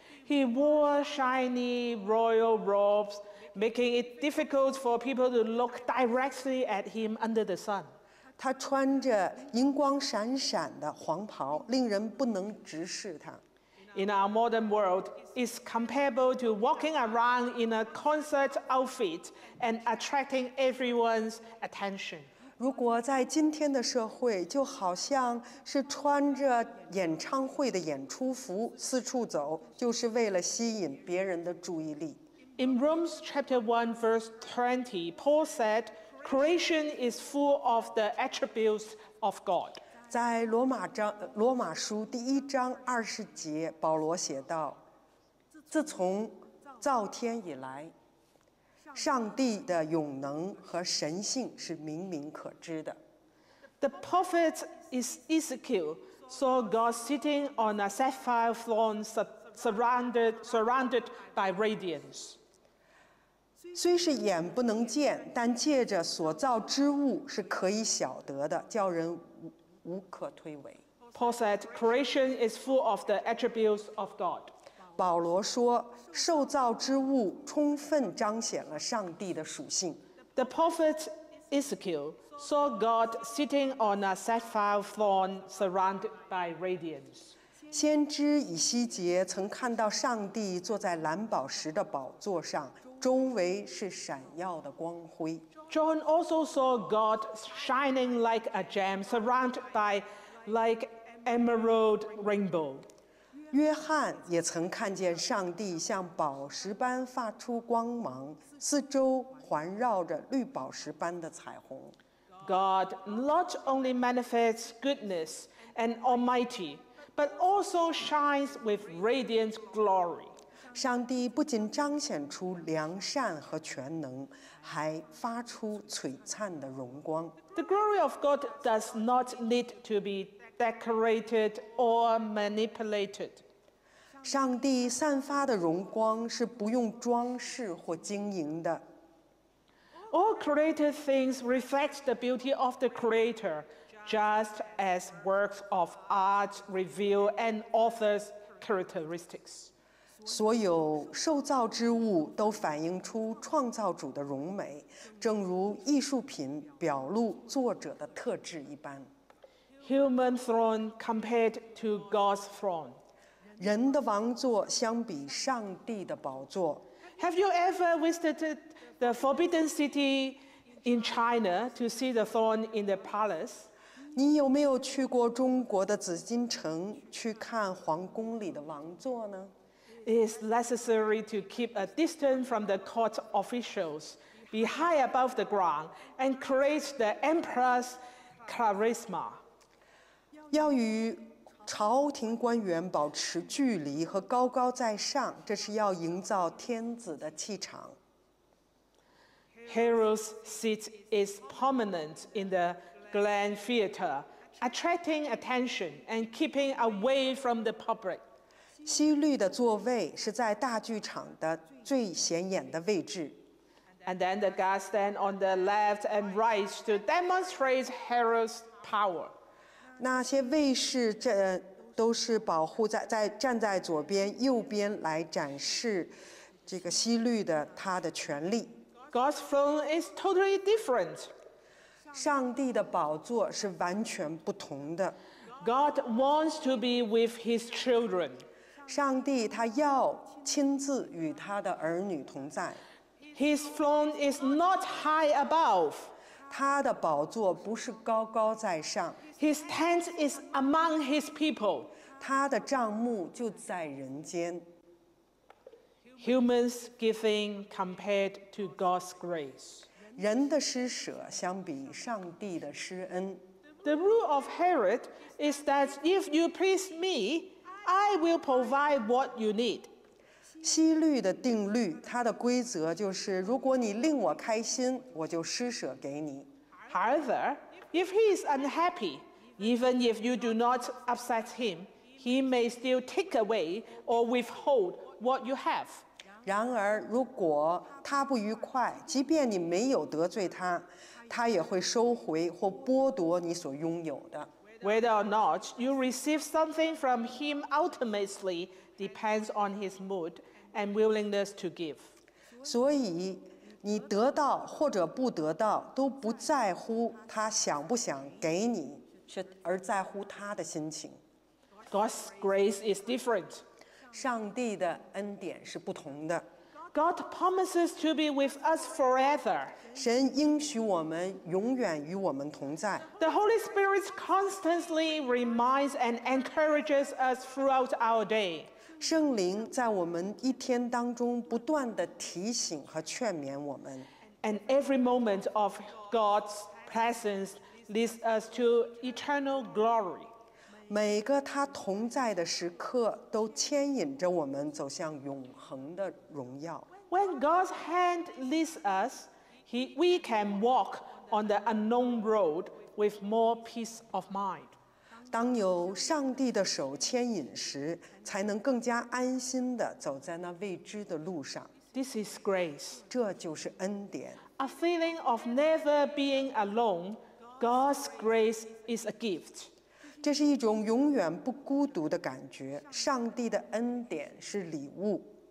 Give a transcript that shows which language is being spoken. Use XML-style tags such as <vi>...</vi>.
<en>He wore shiny royal robes, making it difficult for people to look directly at him under the sun.</en> <zh>他穿着银光闪闪的黄袍，令人不能直视他。</zh> <en>In our modern world, it's comparable to walking around in a concert outfit and attracting everyone's attention.</en> <zh>如果在今天的社会，就好像是穿着演唱会的演出服四处走，就是为了吸引别人的注意力。</zh> <en>In Romans chapter 1 verse 20, Paul said, "Creation is full of the attributes of God."</en> <zh>在罗马书第一章二十节，保罗写道：“自从造天以来。” 上帝的永能和神性是明明可知的。</zh> <en>The prophet Ezekiel saw God sitting on a sapphire throne surrounded by radiance.</en> <zh>虽是眼不能见，但借着所造之物是可以晓得的，叫人 无可推诿。</zh> <en>Paul said, creation is full of the attributes of God.</en> <zh>保罗说，受造之物充分彰显了上帝的属性。</zh> <en>The prophet Ezekiel saw God sitting on a sapphire throne surrounded by radiance.</en> <zh>先知以西结曾看到上帝坐在蓝宝石的宝座上，周围是闪耀的光辉。</zh> <en>John also saw God shining like a gem surrounded by like emerald rainbow.</en> <zh>约翰也曾看见上帝像宝石般发出光芒，四周环绕着绿宝石般的彩虹。</zh> <en>God not only manifests goodness and almighty, but also shines with radiant glory.</en> <zh>上帝不仅彰显出良善和全能，还发出璀璨的荣光。</zh> <en>The glory of God does not need to be decorated or manipulated.</en> <zh>上帝散发的荣光是不用装饰或经营的。</zh> <en>All created things reflect the beauty of the Creator, just as works of art reveal an author's characteristics.</en> <zh>所有受造之物都反映出创造主的荣美，正如艺术品表露作者的特质一般。</zh> <en>Human throne compared to God's throne.</en> <zh>人的王座相比上帝的宝座。</zh> <en>Have you ever visited the Forbidden City in China to see the throne in the palace?</en> <zh>你有没有去过中国的紫禁城去看皇宫里的王座呢？</zh> <en>It is necessary to keep a distance from the court officials, be high above the ground, and create the emperor's charisma.</en> <zh>要与朝廷官员保持距离和高高在上，这是要营造天子的气场。</zh> <en>Herod's seat is prominent in the Grand Theater, attracting attention and keeping away from the public.</en> <zh>希律的座位是在大剧场的最显眼的位置。</zh> <en>And then the guards stand on the left and right to demonstrate Herod's power.</en> <zh>那些卫士这都是保护在站在左边、右边来展示这个希律的他的权力。</zh> <en>God's throne is totally different.</en> <zh>上帝的宝座是完全不同的。</zh> <en>God wants to be with His children.</en> <zh>上帝他要亲自与他的儿女同在。</zh> <en>His throne is not high above.</en> <zh>他的宝座不是高高在上。</zh> <en>His tent is among his people.</en> <zh>他的帐幕就在人间。</zh> <en>Humans giving compared to God's grace.</en> <zh>人的施舍相比上帝的施恩。</zh> <en>The rule of Herod is that if you please me,I will provide what you need.</en> <zh>希律的定律，它的规则就是，如果你令我开心，我就施舍给你。</zh> <en>However, if he is unhappy, even if you do not upset him, he may still take away or withhold what you have.</en> <zh>然而，如果他不愉快，即便你没有得罪他，他也会收回或剥夺你所拥有的。</zh> <en>Whether or not you receive something from him ultimately depends on his mood and willingness to give.</en> <zh>所以你得到或者不得到都不在乎他想不想给你，而在乎他的心情。</zh> <en>God's grace is different.</en> <zh>上帝的恩典是不同的。</zh> <en>God promises to be with us forever.</en> <zh>神应许我们永远与我们同在。</zh> <en>The Holy Spirit constantly reminds and encourages us throughout our day.</en> <zh>圣灵在我们一天当中不断地提醒和劝勉我们。</zh> <en>And every moment of God's presence leads us to eternal glory.</en> <zh>每个他同在的时刻都牵引着我们走向永恒的荣耀。</zh> <en>When God's hand leads us,We can walk on the unknown road with more peace of mind.</en> <zh>当有上帝的手牵引时，才能更加安心地走在那未知的路上。</zh> <en>This is grace.</en> <zh>这就是恩典。</zh> <en>A feeling of never being alone, God's grace is a gift.</en> <zh>这是一种永远不孤独的感觉，上帝的恩典是礼物。</zh>